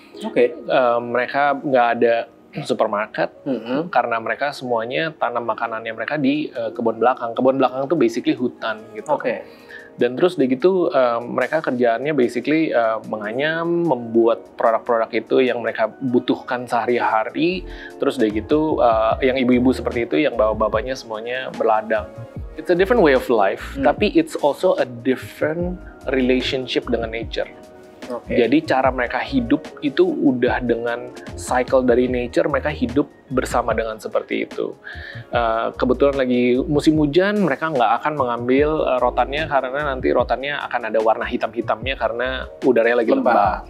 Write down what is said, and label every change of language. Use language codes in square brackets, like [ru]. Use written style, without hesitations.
[id] Mereka nggak ada supermarket, karena mereka semuanya tanam makanannya mereka di kebun belakang. Kebun belakang itu [en] basically [id] hutan gitu. Dan terus udah gitu, mereka kerjaannya [en] basically [id] menganyam, membuat produk-produk itu yang mereka butuhkan sehari-hari. Terus udah gitu, yang ibu-ibu seperti itu, yang bapak-bapaknya semuanya berladang. [en] It's a different way of life, [id] tapi [en] it's also a different relationship [id] dengan [en] nature. [id] Jadi cara mereka hidup itu udah dengan cycle dari nature, mereka hidup bersama dengan seperti itu. Kebetulan lagi musim hujan, mereka nggak akan mengambil rotannya karena nanti rotannya akan ada warna hitam-hitamnya karena udaranya lagi lembab.